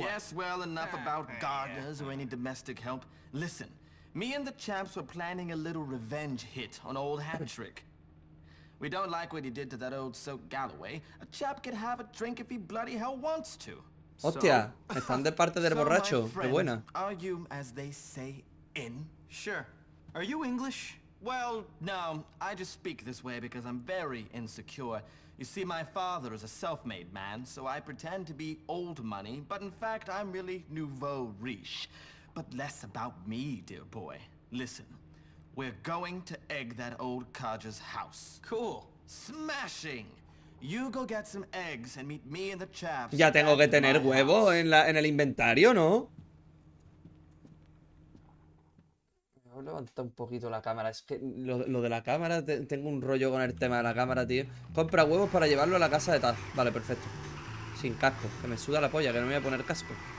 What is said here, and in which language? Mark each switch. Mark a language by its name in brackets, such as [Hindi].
[English] Yes, well, enough about gardeners or any domestic help. Listen, me and the champs were planning a little revenge hit on old Hattrick. We don't like what he did to that old Soak Galloway. A chap could have a drink if he bloody hell wants to. [Spanish] Hostia, están de parte del borracho, qué buena. [English] Are you, as they say, in? Sure. Are you English? Well, no, I just speak this way because I'm very insecure. You see, my father is a self-made man, so I pretend to be old money, but in fact, I'm really nouveau riche. But less about me, dear boy. Listen, we're going to egg that old codger's house. Cool. Smashing! You go get some eggs and meet me and the chaps. [Spanish] Ya tengo que tener huevo en el inventario, ¿no? Voy a levantar un poquito la cámara. Es que lo de la cámara, tengo un rollo con el tema de la cámara, tío. Compra huevos para llevarlo a la casa de Taz. Vale, perfecto. Sin casco, que me suda la polla, que no me voy a poner casco.